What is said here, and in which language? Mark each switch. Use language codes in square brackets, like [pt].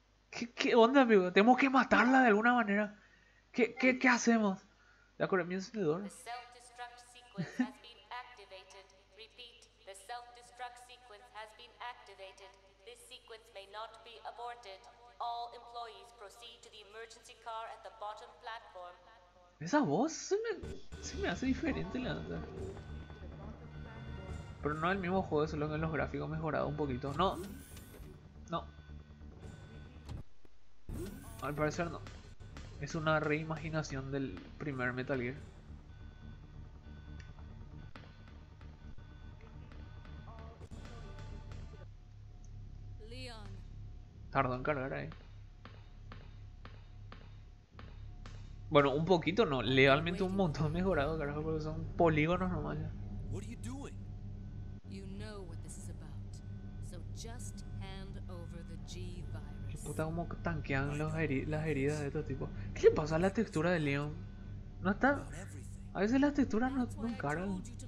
[es] ¿Qué onda, amigo? Tenemos que matarla de alguna manera. ¿Qué hacemos? La corre mi encendedor. [en] La self-destruct sequence has been activated. Repeat, the self-destruct sequence has been activated. This sequence may not be aborted. All employees proceed to the emergency car at the bottom platform. [es] Esa voz se me hace diferente la onda. Pero no el mismo juego, solo que los gráficos mejorados un poquito. No. No. Al parecer no. Es una reimaginación del primer Metal Gear. Leon. Tardó en cargar ahí. Bueno, un poquito no, legalmente un montón mejorado, carajo, porque son polígonos nomás ya. ¿Qué estás haciendo? [en] You know what this is about. So just hand over the G virus. [es] Puta, como tanquean las heridas de estos tipos. ¿Qué le pasa a la textura de Leon? No está. A veces las texturas no cargan.